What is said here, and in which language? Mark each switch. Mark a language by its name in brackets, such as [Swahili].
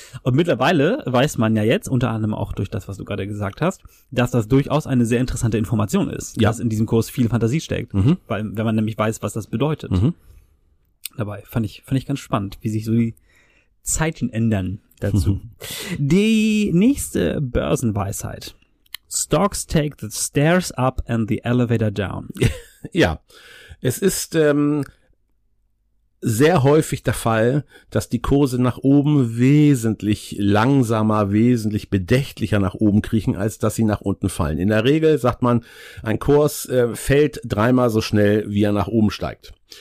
[German] Und mittlerweile weiß man ja jetzt, unter anderem auch durch das, was du gerade gesagt hast, dass das durchaus eine sehr interessante Information ist, ja, dass in diesem Kurs viel Fantasie steckt. Mhm. Weil, wenn man nämlich weiß, was das bedeutet. Mhm. Dabei fand ich ganz spannend, wie sich so die Zeiten ändern dazu. Die nächste Börsenweisheit. [English] Stocks take the stairs up and the elevator down. [German] Ja, es ist sehr häufig der Fall, dass die Kurse nach oben wesentlich langsamer, wesentlich bedächtlicher nach oben kriechen, als dass sie nach unten fallen. In der Regel sagt man, ein Kurs fällt dreimal so schnell, wie er nach oben steigt.